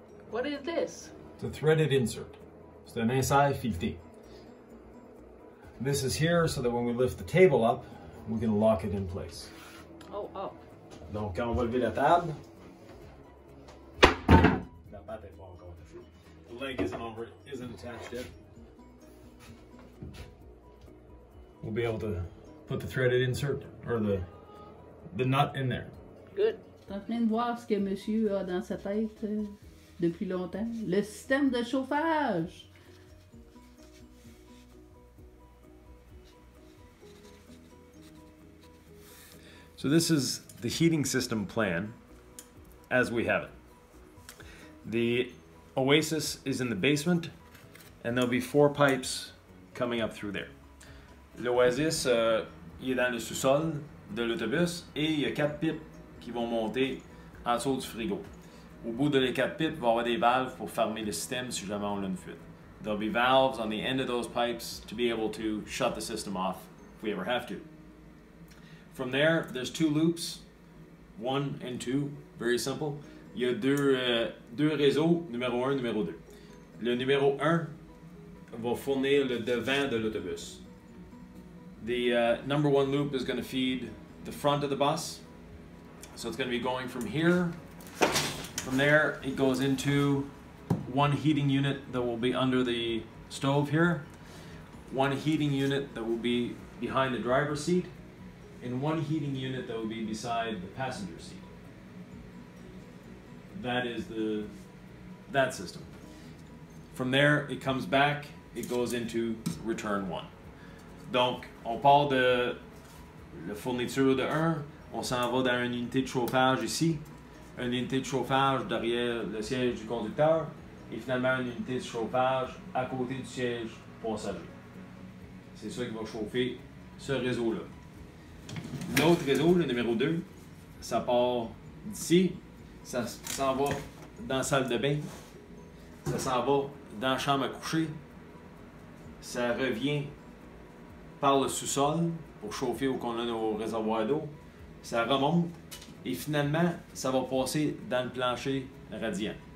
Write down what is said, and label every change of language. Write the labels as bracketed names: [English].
[English] What is this? It's a threaded insert. [French] C'est un insert fileté. [English] This is here so that when we lift the table up, we can lock it in place. Oh. [French] Donc, quand on va lever la table, la patte est pas encore dessus. [English] The leg isn't attached yet. We'll be able to put the threaded insert or the nut in there. Good. [French] T'es en train de voir ce que monsieur a dans sa tête depuis longtemps. Le système de chauffage. [English] So this is the heating system plan as we have it. The Oasis is in the basement and there'll be four pipes coming up through there. [French] L'Oasis, il est dans le sous-sol de l'autobus et il y a quatre pipes qui vont monter en dessous du frigo. Au bout de les quatre pipes, il va y avoir des valves pour fermer le système si jamais on a une fuite. [English] There'll be valves on the end of those pipes to be able to shut the system off if we ever have to. From there, there's two loops, one and two, very simple. [French] Il y a deux réseaux, numéro un, numéro deux. Le numéro un va fournir le devant de l'autobus. [English] The number one loop is going to feed the front of the bus. So it's going to be going from here. From there, it goes into one heating unit that will be under the stove here, one heating unit that will be behind the driver's seat, and one heating unit that will be beside the passenger seat. That is that system. From there, it comes back, it goes into return one. [French] Donc, on part de la fourniture de 1, on s'en va dans une unité de chauffage ici, une unité de chauffage derrière le siège du conducteur, et finalement une unité de chauffage à côté du siège passager. C'est ça qui va chauffer ce réseau-là. L'autre réseau, le numéro 2, ça part d'ici, ça s'en va dans la salle de bain, ça s'en va dans la chambre à coucher, ça revient par le sous-sol pour chauffer où qu'on a nos réservoirs d'eau, ça remonte et finalement ça va passer dans le plancher radiant.